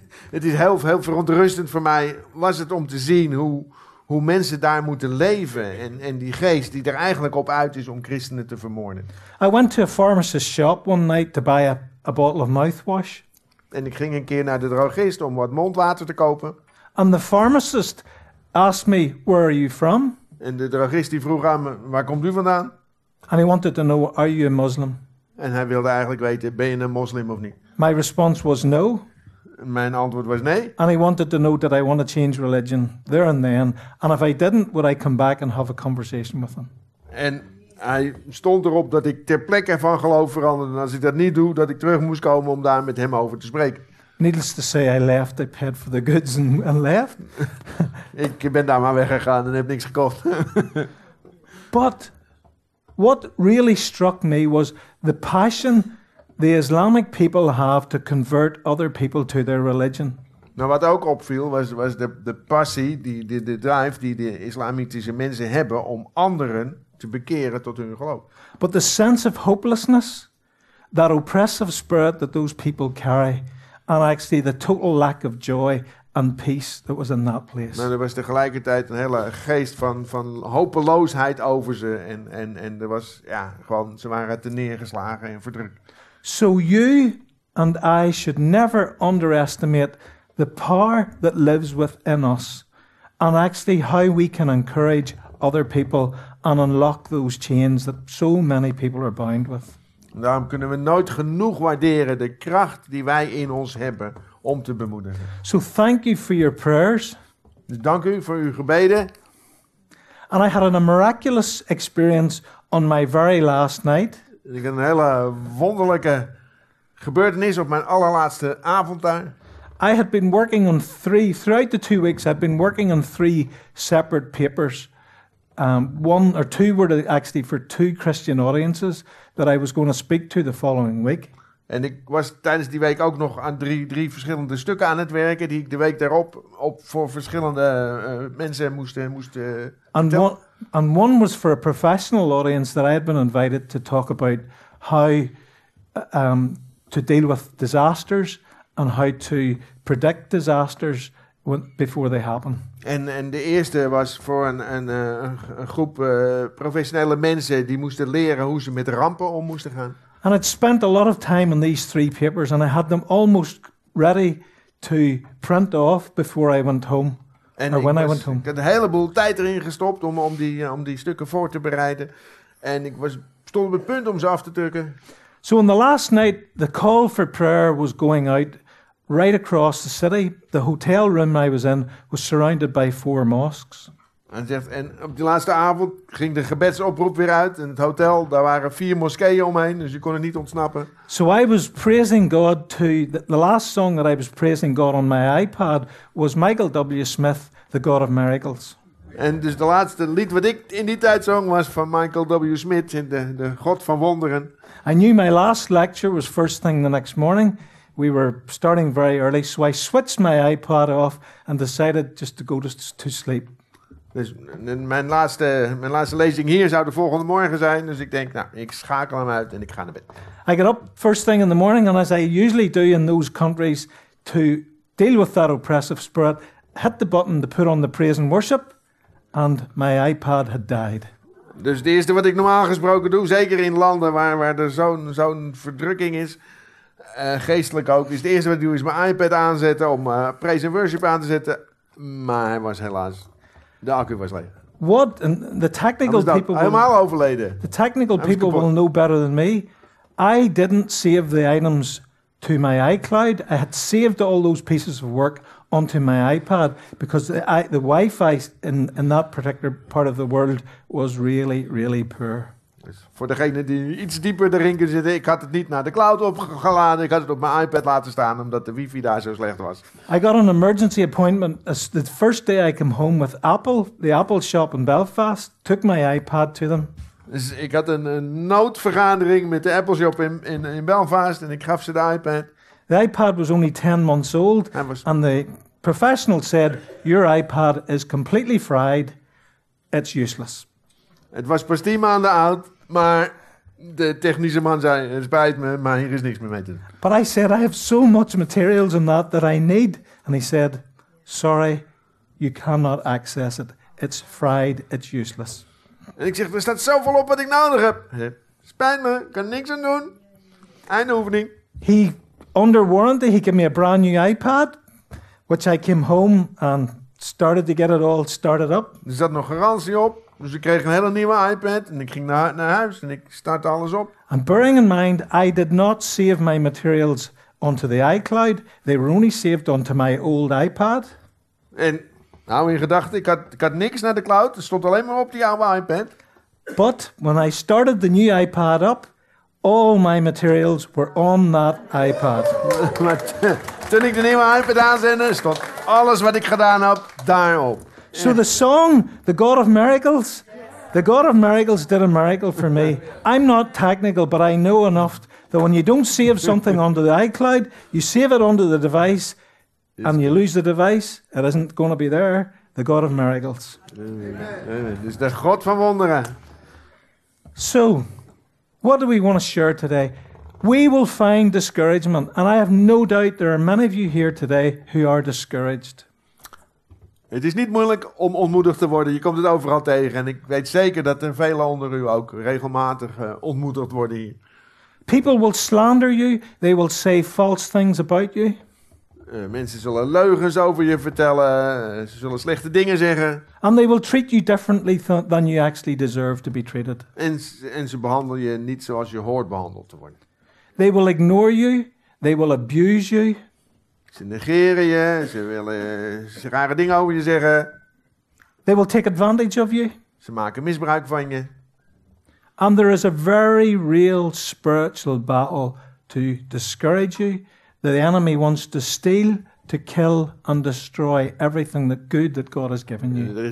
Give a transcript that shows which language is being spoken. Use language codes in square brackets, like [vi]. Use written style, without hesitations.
[nl] Het is heel, heel verontrustend voor mij was het om te zien hoe mensen daar moeten leven en die geest die er eigenlijk op uit is om christenen te vermoorden. [en] I went to a pharmacist's shop one night to buy a bottle of mouthwash. [nl] En ik ging een keer naar de drogist om wat mondwater te kopen. [en] And the pharmacist asked me, "Where are you from?" [nl] En de drogist die vroeg aan me, "Waar komt u vandaan?" [en] And he wanted to know, "Are you a Muslim?" [nl] En hij wilde eigenlijk weten, ben je een moslim of niet? [en] My response was no. [nl] Mijn antwoord was nee. [en] And he wanted to know that I want to change religion there and then. And if I didn't, would I come back and have a conversation with him? [nl] En hij stond erop dat ik ter plekke van geloof veranderde. En als ik dat niet doe, dat ik terug moest komen om daar met hem over te spreken. [en] Needless to say, I left. I paid for the goods and left. [nl] Ik ben daar maar weggegaan en heb niks gekocht. [en] But what really struck me was the passion the Islamic people have to convert other people to their religion. [nl] Nou, wat ook opviel was de passie, de drive die de islamitische mensen hebben om anderen te bekeren tot hun geloof. [en] But the sense of hopelessness, that oppressive spirit that those people carry, and actually the total lack of joy and peace that was in that place. [nl] Maar er was tegelijkertijd een hele geest van hopeloosheid over ze en er was gewoon ze waren te neergeslagen en verdrukt. [en] So you and I should never underestimate the power that lives within us and actually how we can encourage other people and unlock those chains that so many people are bound with. [nl] Daarom kunnen we nooit genoeg waarderen de kracht die wij in ons hebben om te bemoedigen. [en] So thank you for your prayers. [nl] Dus dank u voor uw gebeden. [en] And I had a miraculous experience on my very last night. [nl] Ik had een hele wonderlijke gebeurtenis op mijn allerlaatste avond daar. [en] I had been working on three throughout the 2 weeks. I'd been working on three separate papers. One or two were actually for two Christian audiences that I was going to speak to the following week. [nl] En ik was tijdens die week ook nog aan drie verschillende stukken aan het werken die ik de week daarop op voor verschillende mensen moest [en] And one was for a professional audience that I had been invited to talk about how to deal with disasters and how to predict disasters before they happen. [nl] En de eerste was voor een groep professionele mensen die moesten leren hoe ze met rampen om moesten gaan. [en] And I'd spent a lot of time on these three papers and I had them almost ready to print off before I went home. [nl] Ik had een heleboel tijd erin gestopt om die stukken voor te bereiden. En ik stond op het punt om ze af te drukken. [en] So on the last night, the call for prayer was going out right across the city. The hotel room I was in was surrounded by four mosques. [nl] En op die laatste avond ging de gebedsoproep weer uit in het hotel. Daar waren vier moskeeën omheen, dus je kon er niet ontsnappen. [en] So I was praising God to the last song that I was praising God on my iPad was Michael W. Smith, The God of Miracles. [nl] En dus de laatste lied wat ik in die tijd zong was van Michael W. Smith, de God van Wonderen. [en] I knew my last lecture was first thing the next morning. We were starting very early, so I switched my iPad off and decided just to go to sleep. [nl] Dus mijn laatste lezing hier zou de volgende morgen zijn. Dus ik denk, nou, ik schakel hem uit en ik ga naar bed. [en] I get up first thing in the morning and as I usually do in those countries to deal with that oppressive spirit, hit the button to put on the praise and worship and my iPad had died. [nl] Dus het eerste wat ik normaal gesproken doe, zeker in landen waar er zo'n verdrukking is, geestelijk ook, is het eerste wat ik doe is mijn iPad aanzetten om [en] praise and worship [nl] aan te zetten. Maar hij was helaas... De accu was leeg. [en] What? And the technical people [nl] helemaal overleden. [en] The technical people will know better than me. I didn't save the items to my iCloud. I had saved all those pieces of work onto my iPad because the Wi-Fi in that particular part of the world was really, really poor. [nl] Dus voor degene die iets dieper erin kunnen zitten, ik had het niet naar de cloud opgeladen. Ik had het op mijn iPad laten staan omdat de wifi daar zo slecht was. [en] I got an emergency appointment the first day I came home with Apple, the Apple shop in Belfast, took my iPad to them. [nl] Dus ik had een noodvergadering met de Apple shop in Belfast en ik gaf ze de iPad. [en] The iPad was only 10 months old and the professional said, your iPad is completely fried, it's useless. Het was pas 10 maanden oud, maar de technische man zei, het spijt me, maar hier is niks meer mee te doen. But I said, I have so much materials in that I need. And he said, sorry, you cannot access it. It's fried, it's useless. [nl] En ik zeg, er staat zoveel op wat ik nodig heb. Spijt me, kan niks aan doen. Einde oefening. [en] He, under warranty, he gave me a brand new iPad, which I came home and started to get it all started up. [nl] Er zat nog garantie op. Dus ik kreeg een hele nieuwe iPad en ik ging naar huis en ik startte alles op. [en] And bearing in mind, I did not save my materials onto the iCloud. They were only saved onto my old iPad. [nl] En hou in gedachten, ik had niks naar de cloud. Het stond alleen maar op die oude iPad. [en] But when I started the new iPad up, all my materials were on that iPad. [nl] Toen ik de nieuwe iPad aanzette, stond alles wat ik gedaan heb daarop. [en] So the song, The God of Miracles, The God of Miracles did a miracle for me. I'm not technical, but I know enough that when you don't save something onto the iCloud, you save it onto the device, and you lose the device, it isn't going to be there. The God of Miracles. [nl] Amen. Amen. Amen. Dus de God van wonderen. [en] So, what do we want to share today? We will find discouragement, and I have no doubt there are many of you here today who are discouraged. [nl] Het is niet moeilijk om ontmoedigd te worden. Je komt het overal tegen. En ik weet zeker dat er velen onder u ook regelmatig ontmoedigd worden hier. [en] People will slander you. They will say false things about you. [nl] Mensen zullen leugens over je vertellen. Ze zullen slechte dingen zeggen. [en] And they will treat you differently than you actually deserve to be treated. [nl] En ze behandelen je niet zoals je hoort behandeld te worden. [en] They will ignore you. They will abuse you. [nl] Ze negeren je. Ze willen rare dingen over je zeggen. [en] They will take advantage of you. [nl] Ze maken misbruik van je. [en] And there is a very real spiritual battle to discourage you. The enemy wants to steal, to kill and destroy everything that good that God has given you.